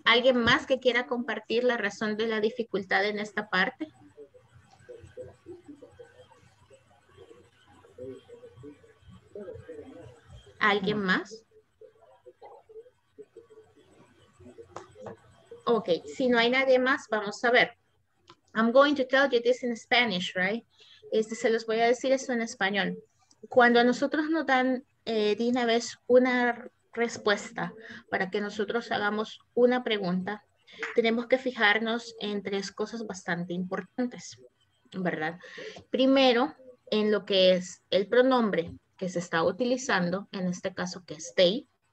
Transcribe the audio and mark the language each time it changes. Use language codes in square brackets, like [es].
[es] ¿Alguien más que quiera compartir la razón de la dificultad en esta parte? ¿Alguien más? Ok, si no hay nadie más, vamos a ver. [en] I'm going to tell you this in Spanish, right? [es] Este, se los voy a decir eso en español. Cuando a nosotros nos dan de una vez una respuesta para que nosotros hagamos una pregunta, tenemos que fijarnos en tres cosas bastante importantes, ¿verdad? Primero, en lo que es el pronombre que se está utilizando, en este caso que es they.